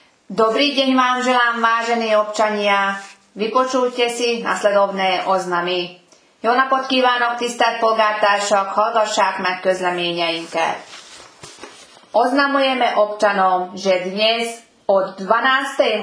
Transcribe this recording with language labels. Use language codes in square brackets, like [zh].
[sk] Dobrý deň vám želám, vážení občania. Vypočujte si nasledovné oznamy. [hu] Jó napot kívánok, tisztelt polgártársak, hallgassák meg közleményeinket. [sk] Oznamujeme občanom, že dnes od 12.